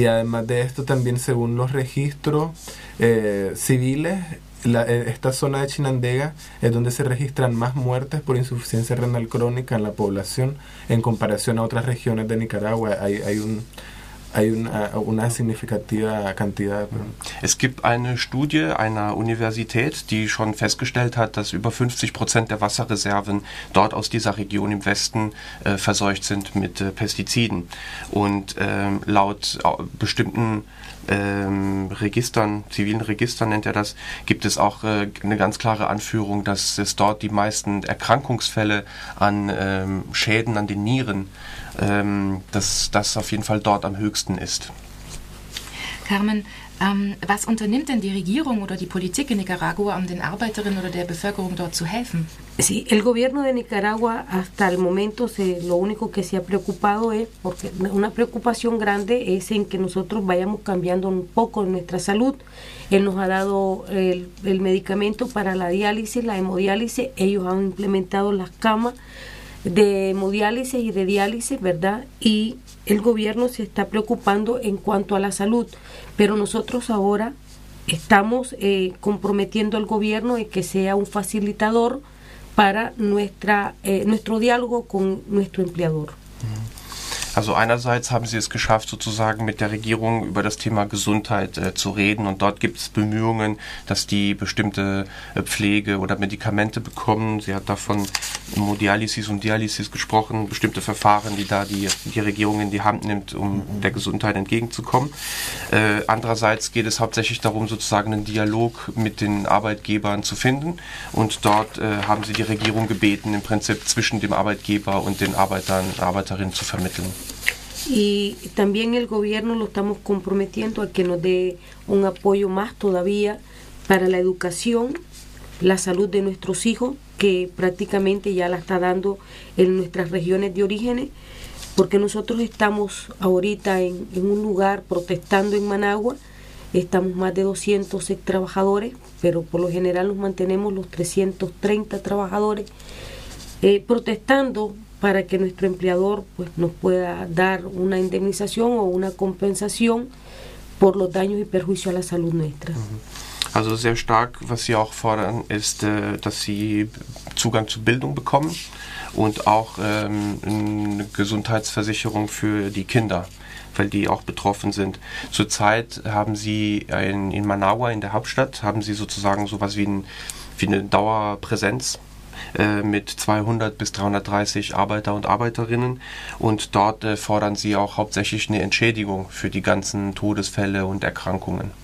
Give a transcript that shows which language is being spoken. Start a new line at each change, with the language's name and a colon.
Spanish: Y además de esto, también según los registros civiles, esta zona de Chinandega es donde se registran más muertes por insuficiencia renal crónica en la población en comparación a otras regiones de Nicaragua. Hay una significativa cantidad.
German: Es gibt eine Studie einer Universität, die schon festgestellt hat, dass über 50% der Wasserreserven dort aus dieser Region im Westen verseucht sind mit Pestiziden. Und laut bestimmten Registern, zivilen Registern nennt er das, gibt es auch eine ganz klare Anführung, dass es dort die meisten Erkrankungsfälle an Schäden an den Nieren, dass das auf jeden Fall dort am höchsten ist. Carmen, was unternimmt denn die Regierung oder die Politik in Nicaragua, um den Arbeiterinnen oder der Bevölkerung dort zu helfen?
Spanish: Sí, el gobierno de Nicaragua hasta el momento lo único que se ha preocupado es, porque una preocupación grande es en que nosotros vayamos cambiando un poco nuestra salud. Él nos ha dado el medicamento para la diálisis, la hemodiálisis, ellos han implementado las camas de hemodiálisis y de diálisis, ¿verdad? Y el gobierno se está preocupando en cuanto a la salud, pero nosotros ahora estamos comprometiendo al gobierno en que sea un facilitador para nuestro diálogo con nuestro empleador.
German: Also einerseits haben sie es geschafft, sozusagen mit der Regierung über das Thema Gesundheit zu reden. Und dort gibt es Bemühungen, dass die bestimmte Pflege oder Medikamente bekommen. Sie hat davon Hemodialysis und Dialysis gesprochen, bestimmte Verfahren, die da die Regierung in die Hand nimmt, um der Gesundheit entgegenzukommen. Andererseits geht es hauptsächlich darum, sozusagen einen Dialog mit den Arbeitgebern zu finden. Und dort haben sie die Regierung gebeten, im Prinzip zwischen dem Arbeitgeber und den Arbeitern, Arbeiterinnen zu vermitteln.
Spanish: Y también el gobierno lo estamos comprometiendo a que nos dé un apoyo más todavía para la educación, la salud de nuestros hijos, que prácticamente ya la está dando en nuestras regiones de orígenes, porque nosotros estamos ahorita en un lugar protestando en Managua, estamos más de 200 trabajadores, pero por lo general nos mantenemos los 330 trabajadores protestando, para que nuestro empleador pues nos pueda dar una indemnización o una compensación por los daños y perjuicios a la salud nuestra.
German: Also sehr stark, was sie auch fordern, ist, dass sie Zugang zu Bildung bekommen und auch eine Gesundheitsversicherung für die Kinder, weil die auch betroffen sind. Zurzeit haben sie in Managua, in der Hauptstadt, haben sie sozusagen sowas wie eine Dauerpräsenz mit 200 bis 330 Arbeiter und Arbeiterinnen und dort fordern sie auch hauptsächlich eine Entschädigung für die ganzen Todesfälle und Erkrankungen.